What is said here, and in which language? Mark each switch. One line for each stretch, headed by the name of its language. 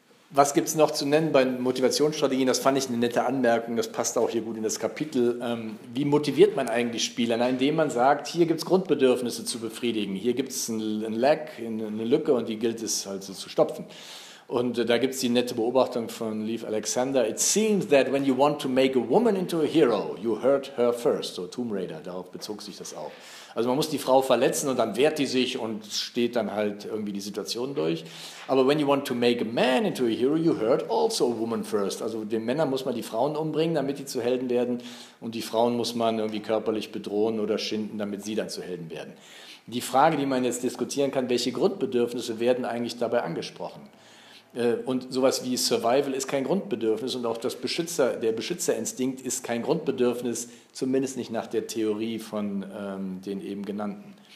German: Was gibt es noch zu nennen bei Motivationsstrategien? Das fand ich eine nette Anmerkung, das passt auch hier gut in das Kapitel. Wie motiviert man eigentlich Spieler? Na, indem man sagt, hier gibt es Grundbedürfnisse zu befriedigen, hier gibt es ein Lack, eine Lücke und die gilt es also zu stopfen. Und da gibt es die nette Beobachtung von Leif Alexander.
English: It seems that when you want to make a woman into a hero, you hurt her first.
German: So Tomb Raider, darauf bezog sich das auch. Also man muss die Frau verletzen und dann wehrt die sich und steht dann halt irgendwie die Situation durch.
English: Aber when you want to make a man into a hero, you hurt also a woman first.
German: Also den Männern muss man die Frauen umbringen, damit die zu Helden werden. Und die Frauen muss man irgendwie körperlich bedrohen oder schinden, damit sie dann zu Helden werden. Die Frage, die man jetzt diskutieren kann, welche Grundbedürfnisse werden eigentlich dabei angesprochen? Und sowas wie Survival ist kein Grundbedürfnis und auch der Beschützerinstinkt ist kein Grundbedürfnis, zumindest nicht nach der Theorie von den eben genannten.